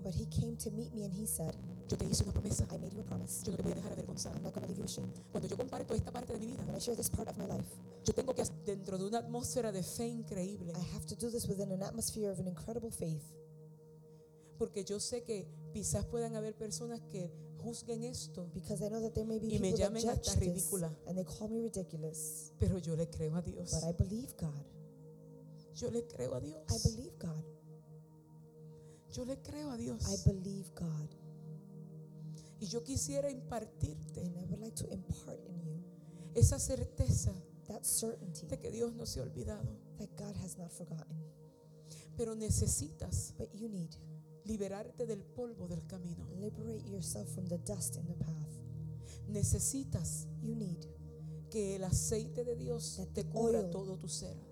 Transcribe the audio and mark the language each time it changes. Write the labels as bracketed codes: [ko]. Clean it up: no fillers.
[en] But he came to meet me and he said, [es] yo te hice una promesa. [en] I made you a promise. [es] Yo no te voy a dejar avergonzar. [en] I'm not going to leave you ashamed. [es] Cuando yo comparto esta parte de mi vida, [en] when I share this part of my life, [es] yo tengo que dentro de una atmósfera de fe increíble. [en] I have to do this within an atmosphere of an incredible faith. [es] Porque yo sé que quizás puedan haber personas que juzguen esto y me llamen hasta ridícula. [en] And they call me ridiculous. [es] Pero yo le creo a Dios. [en] But I believe God. [es] Yo le creo a Dios. [en] I believe God. [es] Yo le creo a Dios. [en] I believe God. [es] Y yo quisiera impartirte. [en] And I would like to impart in you [es] esa certeza. [en] That certainty. [es] De que Dios no se ha olvidado. [en] That God has not forgotten. [es] Pero necesitas. [en] But you need. [es] Liberarte del polvo del camino. [en] Liberate yourself from the dust in the path. [es] Necesitas. [en] You need. [es] Que el aceite de Dios te cubra todo tu ser.